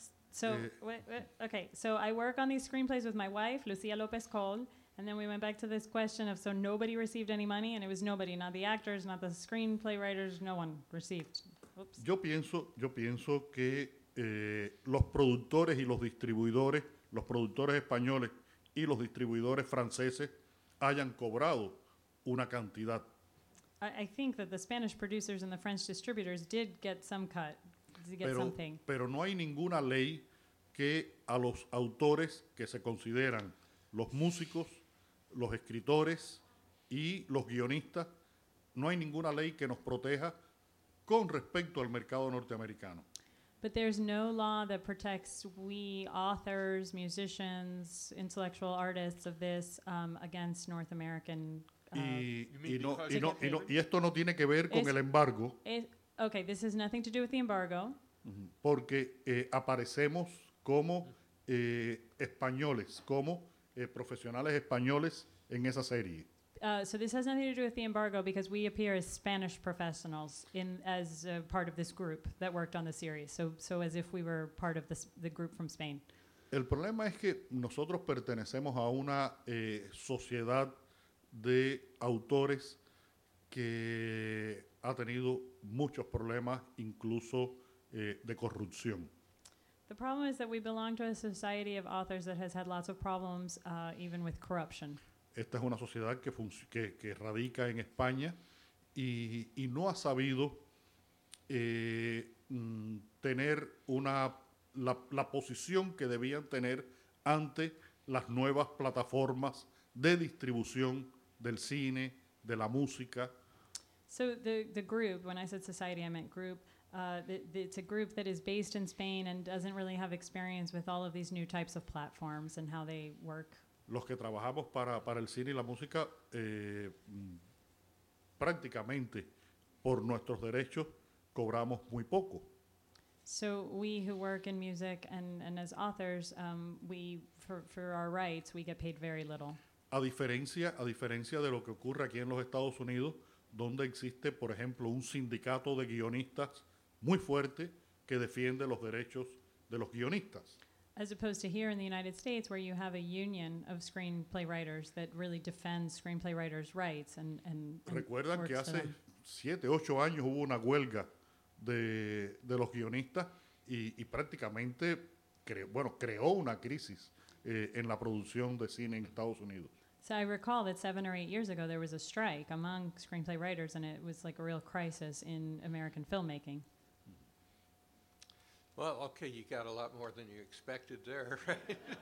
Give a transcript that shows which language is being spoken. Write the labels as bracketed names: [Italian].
[English] So I work on these screenplays with my wife, Lucía López Col, and then we went back to this question of, so nobody received any money, and it was nobody, not the actors, not the screenplay writers, no one received. Oops. [Spanish] Yo pienso que los productores y los distribuidores, los productores españoles y los distribuidores franceses hayan cobrado una cantidad. [English] I think that the Spanish producers and the French distributors did get some cut, to get something. [Spanish] Pero no hay ninguna ley que a los autores que se consideran los músicos, los escritores y los guionistas, no hay ninguna ley que nos proteja con respecto al mercado norteamericano. [English] But there's no law that protects we authors, musicians, intellectual artists of this against North American [Spanish] Y esto no tiene que ver con el embargo. [English] Okay, this has nothing to do with the embargo. [Spanish] Porque aparecemos como españoles, como profesionales españoles en esa serie. [English] So this has nothing to do with the embargo because we appear as Spanish professionals part of this group that worked on the series. So as if we were part of the group from Spain. [Spanish] El problema es que nosotros pertenecemos a una sociedad de autores que ha tenido muchos problemas, incluso de corrupción. [English] The problem is that we belong to a society of authors that has had lots of problems, even with corruption. [Spanish] Esta es una sociedad que radica en España y no ha sabido tener la posición que debían tener ante las nuevas plataformas de distribución del cine, de la música. [English] So the group, when I said society, I meant group, It's a group that is based in Spain and doesn't really have experience with all of these new types of platforms and how they work. [Spanish] Los que trabajamos para el cine y la música, prácticamente por nuestros derechos, cobramos muy poco. [English] So we who work in music and as authors, we for our rights, we get paid very little. [Spanish] A diferencia de lo que ocurre aquí en los Estados Unidos, donde existe, por ejemplo, un sindicato de guionistas muy fuerte que defiende los derechos de los guionistas. [English] As opposed to here in the United States, where you have a union of screenplay writers that really defends screenplay writers' rights and [Spanish] recuerdan que hace 7-8 años hubo una huelga de los guionistas y prácticamente creó una crisis en la producción de cine en Estados Unidos. [English] So I recall that 7 or 8 years ago there was a strike among screenplay writers and it was like a real crisis in American filmmaking. Well, okay, you got a lot more than you expected there, right?